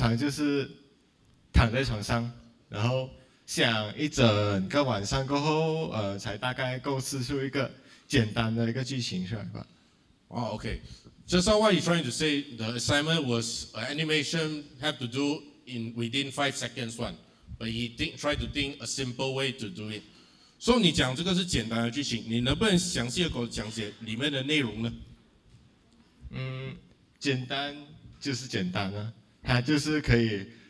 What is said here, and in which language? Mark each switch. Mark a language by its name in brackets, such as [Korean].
[Chinese] 这个事情是发生在今年上半年的，不久吧。老师给的功课是，我觉得是有点过分，也有点不过分的感觉啦。就是叫我们自行去构思那个剧情，然后每个学生自己画一个大概至少5秒钟的动画片出来。所以面对这样子的功课，我通常就是躺在床上，然后 想一整个晚上过后，才大概构思出一个简单的一个剧情出来吧。哦， [English] OK，just what you're trying to say. The assignment was animation have to do in within 5 seconds one, but he try to think a simple way to do it. [Chinese] So 你讲这个是简单的剧情，你能不能详细的给我讲解里面的内容呢？简单就是简单啊，它就是可以。